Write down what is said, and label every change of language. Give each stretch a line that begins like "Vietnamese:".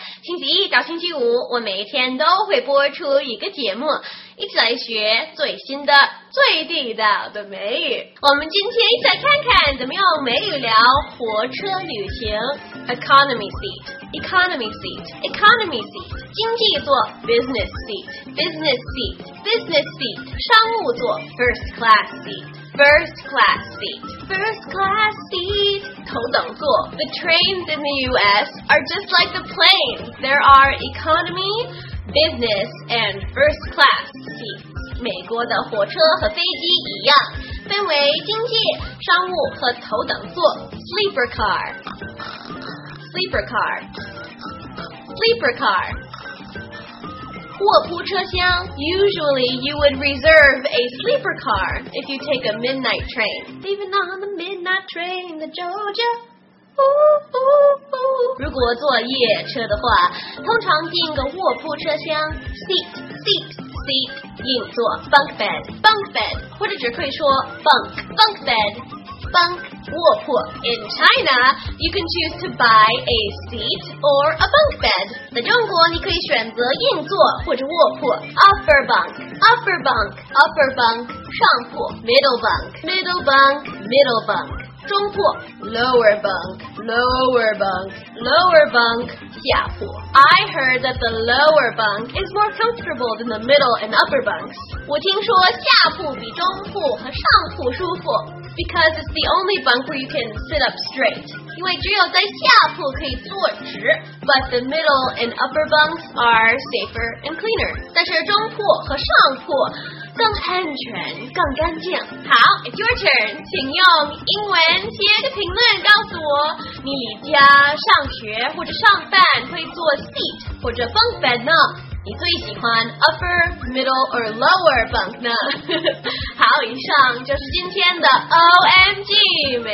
Chinese: 星期一到星期五，我每一天都会播出一个节目，一起来学最新的、最地道的美语。我们今天一起来看看怎么用美语聊火车旅行 ，economy seat。
English: Economy seat, economy seat,
Chinese: 经济座
English: business seat, business seat, business seat,
Chinese: 商务座
English: first class seat, first class seat, first class seat,
Chinese: 头等座
English: The trains in the US are just like the planes. There are economy, business, and first class seats.
Chinese: 美国的火车和飞机一样，分为经济、商务和头等座 sleeper car.
English: Sleeper car.
Chinese: 卧铺车厢
English: Usually you would reserve a sleeper car if you take a midnight train. Even on the midnight train, the Georgia. Ooh, ooh, ooh.
Chinese: 如果坐夜车的话，通常订个卧铺车厢 Seat, 硬座 Bunk bed. 或者只可以说 Bunk bed.
English: In China, you can choose to buy a seat or a bunk bed.
Chinese: 在中国，你可以选择硬座或者卧铺
English: upper bunk, 上铺 middle bunk, 中铺 lower bunk, 下铺 I heard that the lower bunk is more comfortable than the middle and upper bunks.
Chinese: 我听说下铺比中铺和上铺舒服。
English: Because it's the only bunk where you can sit up straight.
Chinese: 因为只有在下铺可以坐直
English: But the middle and upper bunks are safer and cleaner.
Chinese: 但是中铺和上铺更安全更干净好
English: It's your turn.
Chinese: 请用英文贴个评论告诉我你家上学或者上班会坐 seat 或者 bunk bed 呢你最喜欢
English: upper, middle, or lower bunk
Chinese: 呢？好，以上就是今天的 OMG。